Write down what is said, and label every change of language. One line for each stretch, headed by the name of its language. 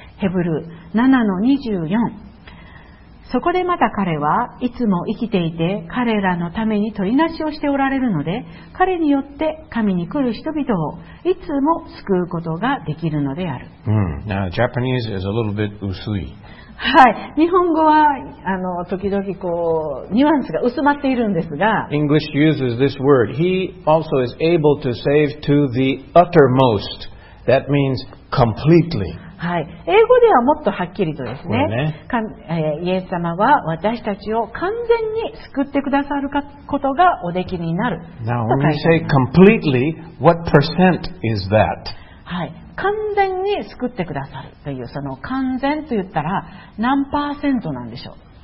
Japanese: ヘブル 7-24 そこでまた彼はいつも生きていて彼らのために取りなしをしておられるので彼によって神に来る人々をいつも救うことができるのである。
English: Now, Japanese is a little bit
Japanese: 薄い。はい、日本語は時々こうニュアンスが薄まっているんですが、
English: English uses this word. He also is able to save to the uttermost. That means completely.
Japanese: はい、英語ではもっとはっきりとですね。ね、イエス様は私たちを完全に救ってくださることがおできになる。
English: Now, when you say completely, what percent is that?
Japanese: はい。完全に救ってくださるというその完全と言ったら何パーセントなんでしょう。